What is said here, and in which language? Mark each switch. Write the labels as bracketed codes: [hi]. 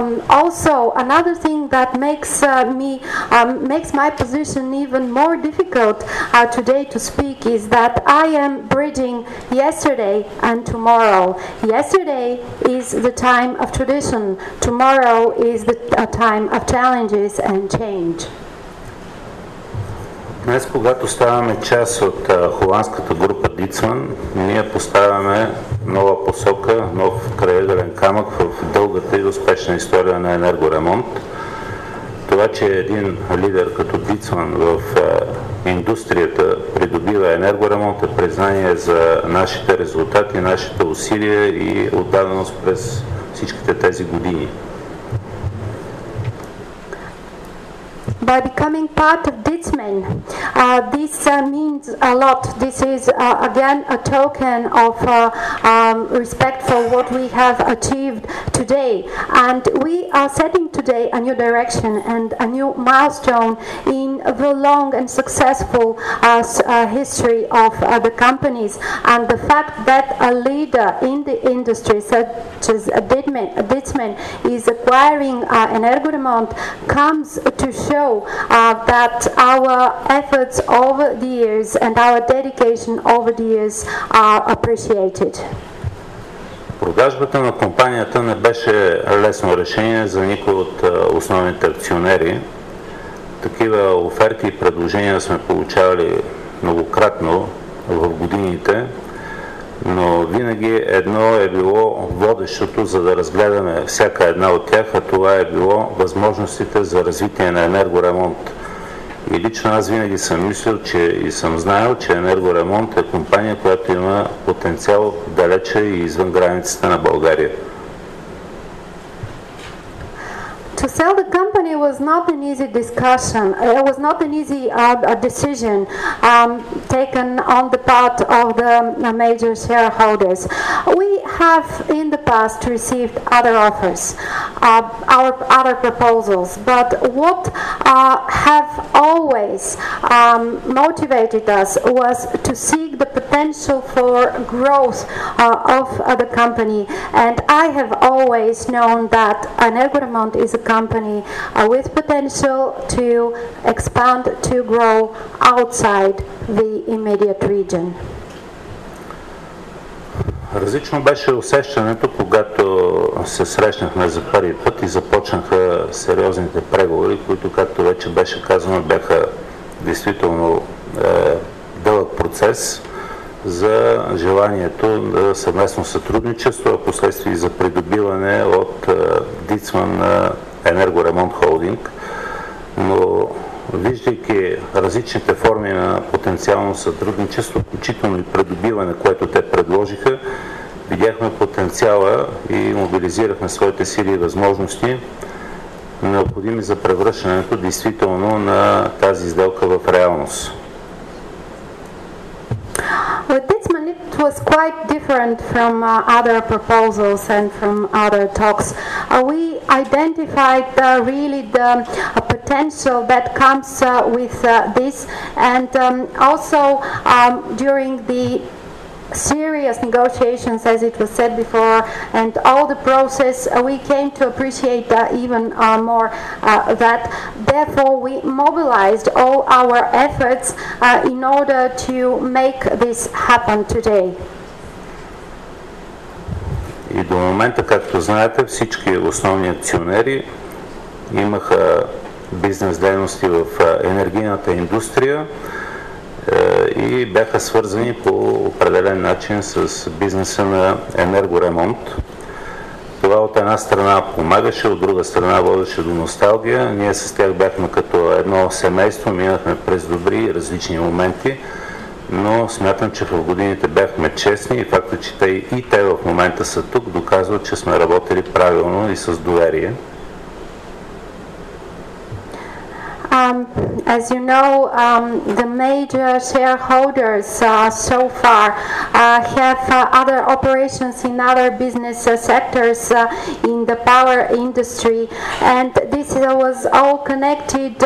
[en] Also, another thing that makes makes my position even more difficult today to speak is that I am bridging yesterday and tomorrow. Yesterday is the time of tradition. Tomorrow is the time of challenges and change. [bg] Днес, когато ставаме част от холандската група Дицман, ние поставяме нова посока, нов крайъгълен камък в дългата и успешна история на енергоремонт. Това, че един лидер като Дицман в индустрията придобива енергоремонт, е признание за нашите резултати, нашите усилия и отдаденост през всичките тези години. [en] By becoming part of Ditzman, this means a lot. This is again a token of respect for what we have achieved today. And we are setting today a new direction and a new milestone in the long and successful history of the companies. And the fact that a leader in the industry such as Ditzman is acquiring Energoremont comes to show that our efforts over the years and our dedication over the years are appreciated. [bg] Продажбата на компанията не беше лесно решение за никой от основните акционери. Такива оферти и предложения сме получавали многократно в годините, но винаги едно е било водещото, за да разгледаме всяка една от тях, а това е било възможностите за развитие на енергоремонт. И лично аз винаги съм мислил, че и съм знаел, че енергоремонт е компания, която има потенциал далече и извън границите на България. [en] To sell the company was not an easy discussion. It was not an easy decision taken on the part of the major shareholders. We have in the past received other offers, our other proposals, but what have always motivated us was to seek the potential for growth of the company. And I have always known that an agreement is a company with potential to expand, to grow outside the immediate region. [bg] Различно беше усещането, когато се срещнахме за първи път и започнаха сериозните преговори, които, както вече беше казано, бяха действително дълъг процес за желанието на съвместно сътрудничество, а последствие и за придобиване от Дицман на Енергоремонт Холдинг, но виждайки различните форми на потенциално сътрудничество, включително и придобиване, което те предложиха, видяхме потенциала и мобилизирахме своите сили и възможности, необходими за превръщането действително на тази сделка в реалност. [en] It was quite different from other proposals and from other talks. We identified really the potential that comes with this, and also during the serious negotiations, as it was said before, and all the process, we came to appreciate even more that. Therefore, we mobilized all our efforts in order to make this happen today. [bg] И до момента, както знаете, всички основни акционери имаха бизнес дейности в енергийната индустрия и бяха свързани по определен начин с бизнеса на енергоремонт. Това от една страна помагаше, от друга страна водеше до носталгия. Ние с тях бяхме като едно семейство, минахме през добри и различни моменти, но смятам, че в годините бяхме честни и факта, че те и те в момента са тук, доказва, че сме работили правилно и с доверие. [en] As you know, the major shareholders so far have other operations in other business sectors in the power industry, and this was all connected.